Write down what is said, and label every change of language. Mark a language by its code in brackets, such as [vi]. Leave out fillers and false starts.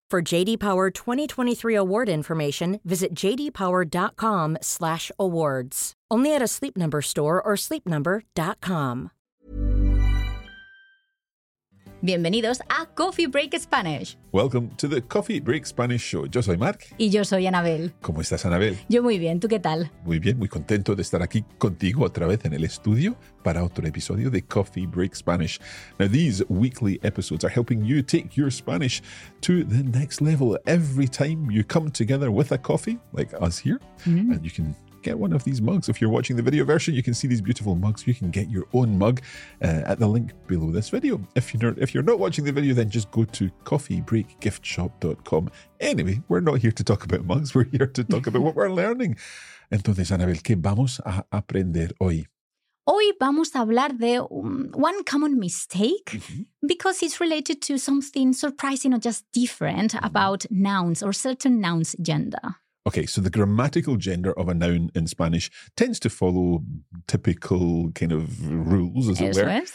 [en] For J.D. Power 2023 award information, visit jdpower.com/awards. Only at a Sleep Number store or sleepnumber.com. [es] Bienvenidos a Coffee Break Spanish. [en] Welcome to the Coffee Break Spanish show. [es] Yo soy Marc. Y yo soy Anabel. ¿Cómo estás, Anabel? Yo muy bien. ¿Tú qué tal? Muy bien. Muy contento de estar aquí contigo otra vez en el estudio para otro episodio de Coffee Break Spanish. [en] Now, these weekly episodes are helping you take your Spanish to the next level. Every time you come together with a coffee, like us here, and you can get one of these mugs. If you're watching the video version, you can see these beautiful mugs. You can get your own mug at the link below this video. If you're not watching the video, then just go to coffeebreakgiftshop.com. Anyway, we're not here to talk about mugs. We're here to talk about what we're learning. [es] Entonces, Anabel, ¿qué vamos a aprender hoy? Hoy vamos a hablar de [en] one common mistake because it's related to something surprising or just different about nouns or certain nouns' gender. Okay, so the grammatical gender of a noun in Spanish tends to follow typical kind of rules, as it were.